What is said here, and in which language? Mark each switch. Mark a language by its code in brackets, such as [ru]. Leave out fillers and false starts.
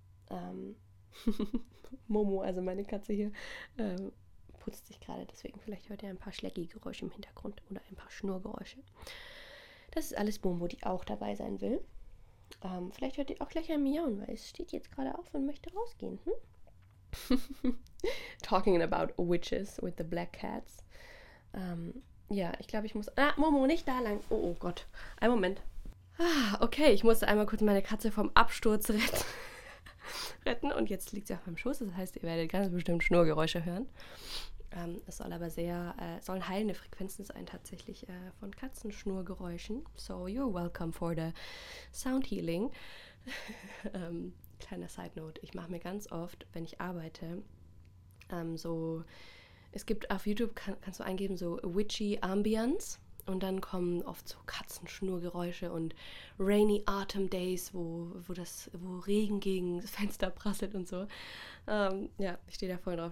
[de] Ja, Momo, also meine Katze hier, putzt sich gerade, deswegen vielleicht hört ihr ein paar Schlecki-Geräusche im Hintergrund oder ein paar Schnurrgeräusche. Das ist alles Momo, die auch dabei sein will. Vielleicht hört ihr auch gleich ein Miauen, weil es steht jetzt gerade auf und möchte rausgehen. Hm? [en] Talking about witches with the black cats. [de] Ich glaube, ich muss... Ah, Momo, nicht da lang. Oh Gott, einen Moment. Ah, okay, ich musste einmal kurz meine Katze vom Absturz retten und jetzt liegt sie auf meinem Schoß. Das heißt, ihr werdet ganz bestimmt Schnurrgeräusche hören. Es soll aber sollen heilende Frequenzen sein tatsächlich von Katzenschnurrgeräuschen. [en] So you're welcome for the sound healing. [de] kleiner Side Note: Ich mache mir ganz oft, wenn ich arbeite, es gibt auf YouTube kannst du eingeben so witchy Ambience. Und dann kommen oft so Katzenschnurrgeräusche und [en] rainy autumn days, [de] wo Regen gegen das Fenster prasselt und so. Ich stehe da voll drauf.